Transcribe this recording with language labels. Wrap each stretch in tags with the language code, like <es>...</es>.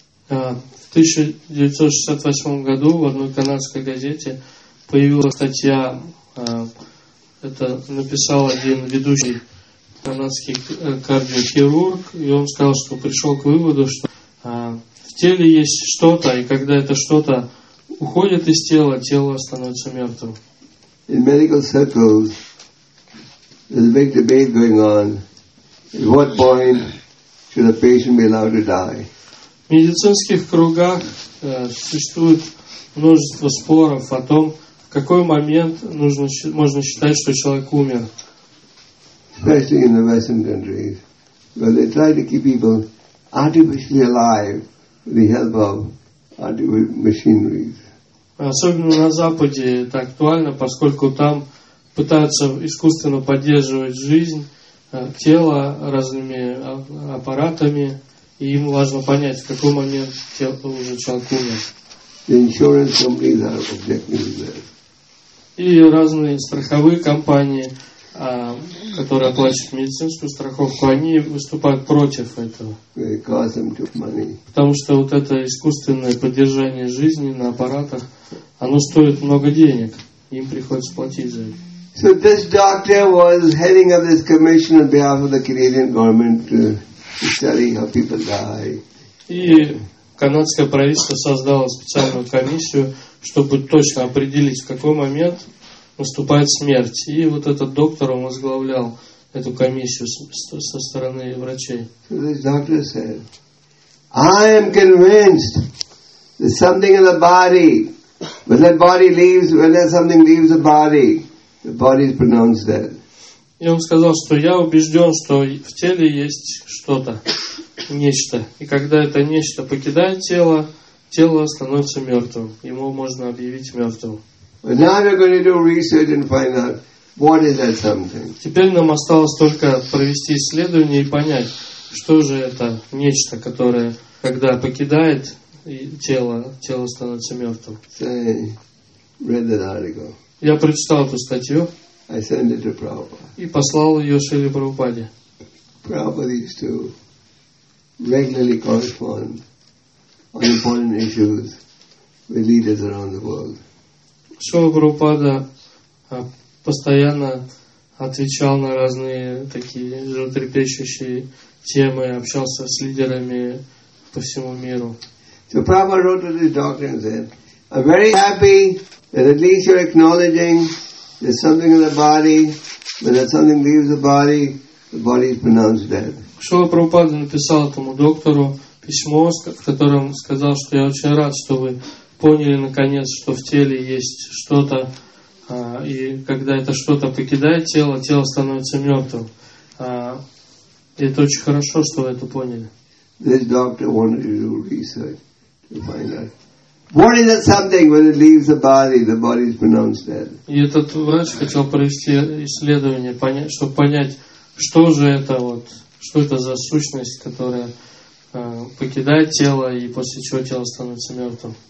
<ru>В 1968 году в одной канадской газете появилась статья. Это написал один ведущий канадский кардиохирург, и он сказал, что пришел к выводу, что в теле есть что-то, и когда это что-то уходит из тела, тело становится мертвым.</ru> <en>In medical circles, there's a big debate going on. At what point should a patient be allowed to die?</en> <ru>В медицинских кругах существует множество споров о том, в какой момент можно считать, что человек умер.</ru> <en>Especially in the Western countries, where they try to keep people artificially alive. The help of machinery.</en> <ru>Особенно на Западе это актуально, поскольку там пытаются искусственно поддерживать жизнь тела разными аппаратами, и им важно понять, в какой момент тело уже человек умер.</ru> <en>The insurance companies are objecting to that.</en> <ru>И разные страховые компании, которые оплачивают медицинскую страховку, они выступают против этого. Потому что вот это искусственное поддержание жизни на аппаратах, оно стоит много денег. Им приходится платить за это.</ru> <en>So this doctor was heading up this commission on behalf of the Canadian government to study how people die.</en> <ru>И канадское правительство создало специальную комиссию, чтобы точно определить, в какой момент наступает смерть. И вот этот доктор, он возглавлял эту комиссию со стороны врачей.</ru> <en>So this doctor said, I am convinced there's something in the body. When that body leaves, when there's something leaves the body is pronounced dead.</en> <ru>И он сказал, что я убежден, что в теле есть что-то, нечто. И когда это нечто покидает тело, тело становится мертвым. Ему можно объявить мертвым.</ru> <en>But now we're going to do research and find out what is that something.</en> <ru>Теперь нам осталось только провести исследование и понять, что же это нечто, которое, когда покидает тело становится мертвым.</ru> <en>So I read that article.</en> <ru>Я прочитал эту статью.</ru> <en>I sent it to Prabhupada.</en> <ru>И послал ее Шриле Прабхупаде.</ru> <en>Prabhupada used to regularly correspond on important issues with leaders around the world.</en> <ru>Шрила Прабхупада постоянно отвечал на разные такие животрепещущие темы, общался с лидерами по всему миру.</ru> <en>So Prabhupada wrote to this doctor and said, I'm very happy that at least you're acknowledging there's something in the body, but that something leaves the body is pronounced dead.</en> <ru>Шрила Прабхупада написал этому доктору письмо, в котором сказал, что я очень рад, что вы поняли, наконец, что в теле есть что-то, и когда это что-то покидает тело, тело становится мертвым. И это очень хорошо, что вы это поняли.</ru> <en>This doctor wanted to do research to find out. What is that something when it leaves the body is pronounced dead.</en> <ru>И этот врач хотел провести исследование, чтобы понять, что же это вот, что это за сущность, которая покидает тело, и после чего тело становится мертвым.</ru>